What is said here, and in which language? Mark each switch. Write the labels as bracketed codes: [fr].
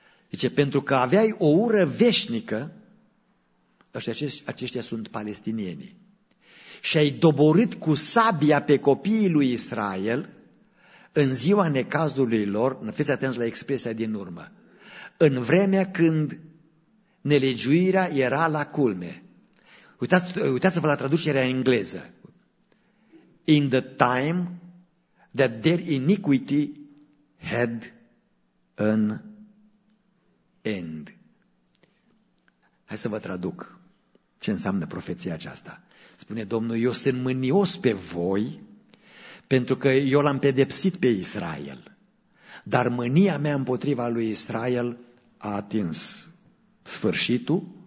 [ro] Zice, pentru că aveai o ură veșnică, aceștia sunt palestinienii, și ai doborât cu sabia pe copiii lui Israel în ziua necazului lor, fiți atenți la expresia din urmă, în vremea când nelegiuirea era la culme. Uitați-vă la traducerea engleză. [en] In the time that their iniquity had an end. [ro] Hai să vă traduc ce înseamnă profeția aceasta. Spune Domnul, eu sunt mânios pe voi pentru că eu l-am pedepsit pe Israel. Dar mânia mea împotriva lui Israel a atins sfârșitul.